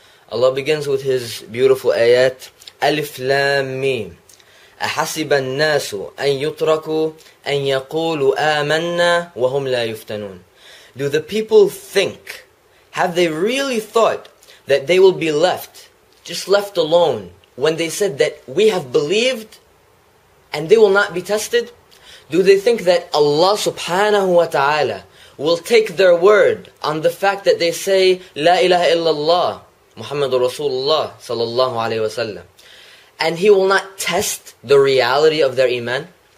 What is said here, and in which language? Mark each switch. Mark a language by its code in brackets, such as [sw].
[en] Allah begins with his beautiful ayat Alif Lam Mim. [ar] أحسب الناس أن يتركوا أن يقولوا آمنا وهم لا يفتنون. [en] Do the people think, have they really thought that they will be left alone when they said that we have believed and they will not be tested? Do they think that Allah subhanahu wa ta'ala will take their word on the fact that they say La ilaha illallah Muhammadur Rasulullah sallallahu alayhi wa sallam and he will not test the reality of their iman?